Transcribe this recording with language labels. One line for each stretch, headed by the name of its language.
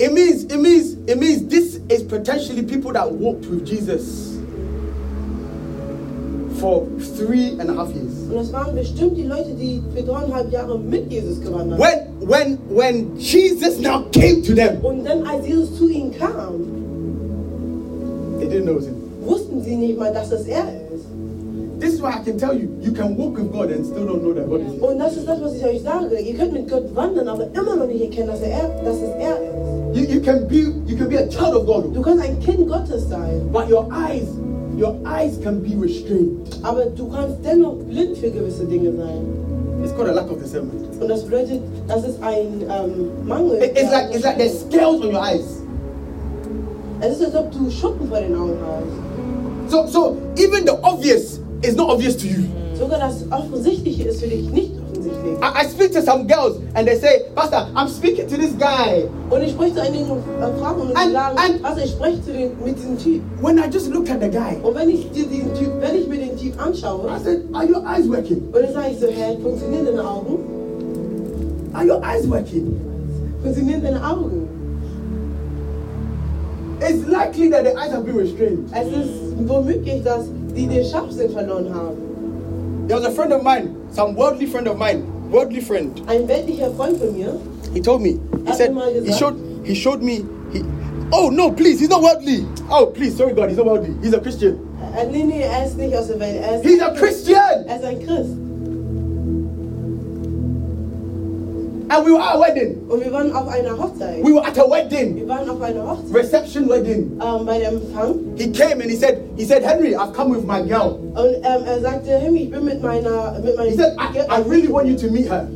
English: It means this is potentially people that walked with Jesus for 3.5 years.
German: Und es waren bestimmt die Leute, die für 3.5 Jahre mit Jesus gewandert haben.
English: When Jesus now came to them.
German: Und dann als Jesus zu ihnen kam.
English: They didn't know him.
German: Wussten sie nicht mal, dass es er ist.
English: This is why I can tell you, you can walk with God and still don't know that God is here.
German: Und das ist das, was ich euch sage. Ihr könnt mit Gott wandern, aber immer noch nicht erkennen, dass er ist.
English: You can be a child of God.
German: Du kannst ein Kind Gottes sein.
English: But your eyes can be restrained.
German: Aber du kannst dennoch blind für gewisse Dinge sein.
English: It's called a lack of discernment.
German: Und das bedeutet, das ist ein Mangel.
English: It's like there's scales on your eyes.
German: Es ist, als ob du Schuppen vor den Augen hast.
English: So even the obvious is not obvious to you.
German: Sogar das Offensichtliche ist für dich nicht offensichtlich.
English: I speak to some girls and they say, Pastor, I'm speaking to this guy.
German: Und ich spreche zu einigen Frauen und sie sagen, Pastor, ich spreche zu den, mit diesem Typ.
English: When I just look at the guy.
German: Und wenn ich mir den Typ anschaue.
English: I said, are your eyes working?
German: Und dann sage ich so, funktionieren deine Augen?
English: Are your eyes working?
German: Funktionieren deine Augen?
English: It's likely that the eyes have been restrained.
German: Es ist womöglich, dass die den Scharfsinn verloren haben.
English: There was a friend of mine, some worldly friend of mine, worldly friend.
German: Ein weltlicher Freund von mir.
English: He told me. He said,
German: mal gesagt,
English: he showed me. He's not worldly. Oh, please, sorry God, he's not worldly. He's a Christian.
German: Nee, er ist nicht aus der Welt. Er ist
English: he's a Christian.
German: Er ist ein Christ.
English: And we were at a wedding.
German: Und wir waren auf einer Hochzeit.
English: We were at a wedding.
German: Wir waren auf einer Hochzeit.
English: Reception wedding.
German: Bei dem Empfang.
English: He came and he said, Henry, I've come with my girl.
German: Und er sagte, Henry, ich bin mit meiner.
English: He said, I really want you to meet her.